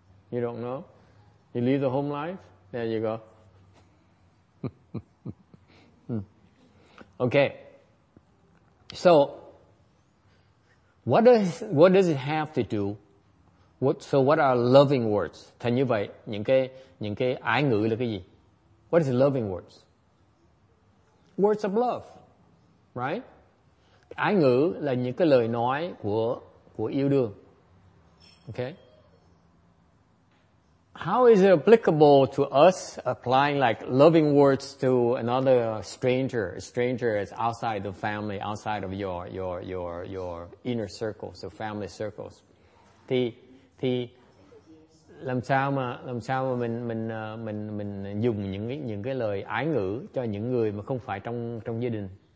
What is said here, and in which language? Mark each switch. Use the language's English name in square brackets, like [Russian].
[English] You don't know? You leave the home life? There you go. Okay, so what does it have to do So what are loving words? [Vietnamese] Thành như vậy, những cái ái ngữ là cái gì? [English] What is loving words? Words of love, right? [Vietnamese] Ái ngữ là những cái lời nói của yêu đương. Okay. [English] How is it applicable to us applying like loving words to another stranger? A stranger is outside the family, outside of your inner circles, your family circles. [Vietnamese] Thì làm sao mà mình dùng những cái lời ái ngữ cho những người mà không phải trong gia đình?